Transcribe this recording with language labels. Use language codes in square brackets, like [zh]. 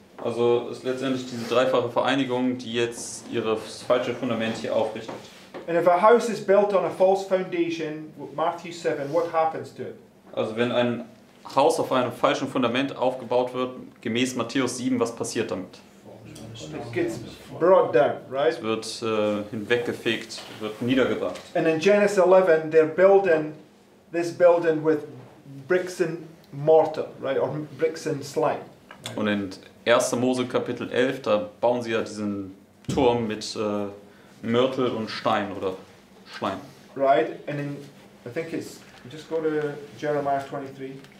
[de] Also ist letztendlich diese dreifache Vereinigung, die jetzt ihre falsche Fundament hier aufrichtet. [en] And if a house is built on a false foundation, Matthew 7, what happens to it? [de] Also wenn ein Haus auf einem falschen Fundament aufgebaut wird, gemäß Matthäus 7, was passiert damit? [en] It gets brought down, right? [de] Es wird hinweggefegt, wird niedergebracht. [en] And in Genesis 11, they're building this building with bricks and mortar, right? Or bricks and slime. [de] Und in 1. Mose Kapitel 11, da bauen sie ja diesen Turm mit Mörtel und Stein oder Schleim. [en] Right, and in, I think it's, just go to Jeremiah 23.